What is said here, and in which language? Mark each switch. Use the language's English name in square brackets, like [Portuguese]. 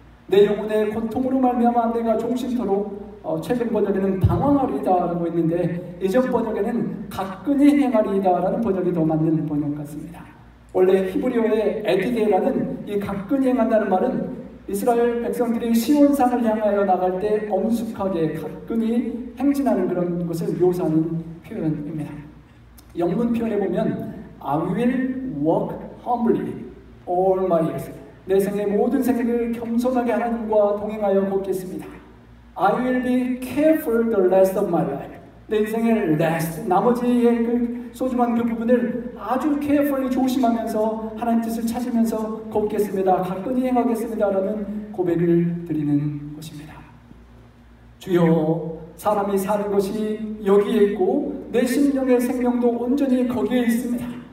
[Korean] 내 영혼의 고통으로 말미암아 내가 종신토록 최근 번역에는 방황하리이다 라고 했는데 이전 번역에는 가끈히 행하리이다 라는 번역이 더 맞는 번역 같습니다. 원래 히브리어의 에디데라는 이 가끈히 행한다는 말은 이스라엘 백성들이 시온산을 향하여 나갈 때 엄숙하게 가끈히 행진하는 그런 것을 묘사하는 표현입니다. [English] 영문 표현에 보면 I will walk humbly all my years. [Korean] 내 생의 모든 생애를 겸손하게 하나님과 동행하여 걷겠습니다. [English] I will be careful the rest of my life. [Korean] 내 인생의 last, 나머지의 그 소중한 그 부분을 아주 carefully 조심하면서 하나님 뜻을 찾으면서 걷겠습니다. 가끔히 행하겠습니다. 라는 고백을 드리는 것입니다. 주여, 사람이 사는 것이 여기에 있고 내 심령의 생명도 온전히 거기에 있습니다.